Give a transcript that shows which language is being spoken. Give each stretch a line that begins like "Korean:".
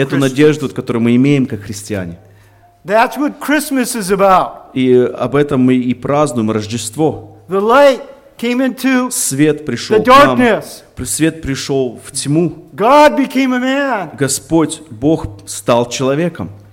Russian: Эту надежду, которую мы имеем как христиане.
English: That's what Christmas is about.
Russian: И об этом мы и празднуем Рождество.
English: The light came into
Russian: свет пришел
English: the darkness.
Russian: К нам. Свет пришел в тьму.
English: God became a man.
Russian: Господь, Бог, стал человеком.